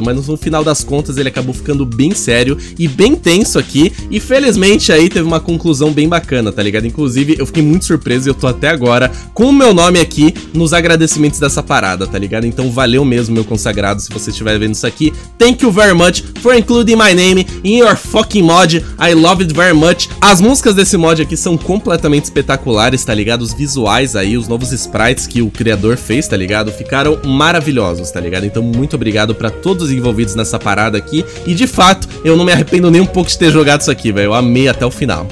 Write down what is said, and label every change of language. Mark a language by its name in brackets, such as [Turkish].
[Portuguese] Mas no final das contas ele acabou ficando bem sério e bem tenso aqui, e felizmente aí teve uma conclusão bem bacana, tá ligado? Inclusive eu fiquei muito surpreso e eu tô até agora com o meu nome aqui nos agradecimentos dessa parada, tá ligado? Então valeu mesmo, meu consagrado, se você estiver vendo isso aqui. [English] Thank you very much for including my name in your fucking mod, I love it very much. [Portuguese] As músicas desse mod aqui são completamente espetaculares, tá ligado? Os visuais aí, os novos sprites que o criador fez, tá ligado? Ficaram maravilhosos, tá ligado? Então muito obrigado pra todos envolvidos nessa parada aqui. E de fato, eu não me arrependo nem um pouco de ter jogado isso aqui, velho. Eu amei até o final.